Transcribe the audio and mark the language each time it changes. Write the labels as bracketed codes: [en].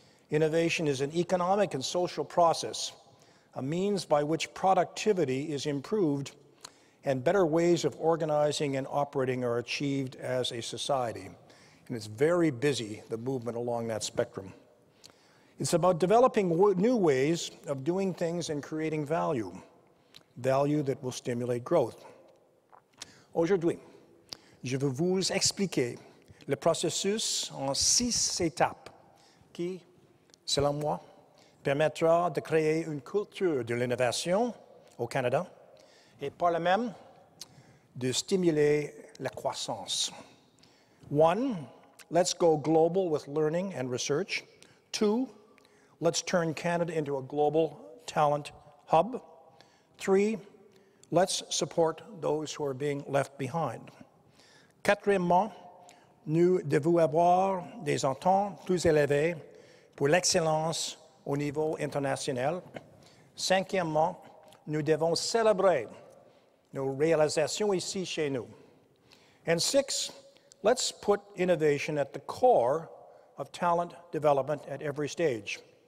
[en] Innovation is an economic and social process, a means by which productivity is improved and better ways of organizing and operating are achieved as a society. And it's very busy, the movement along that spectrum. It's about developing new ways of doing things and creating value, value that will stimulate growth. [fr] Aujourd'hui, je vais vous expliquer le processus en six étapes qui, selon moi, permettra de créer une culture de l'innovation au Canada et par là même de stimuler la croissance. [en] One, let's go global with learning and research. Two, let's turn Canada into a global talent hub. Three, let's support those who are being left behind. [fr] Quatrièmement, nous devons avoir des ententes plus élevées pour l'excellence au niveau international. Cinquièmement, nous devons célébrer nos réalisations ici chez nous. [en] And six, let's put innovation at the core of talent development at every stage.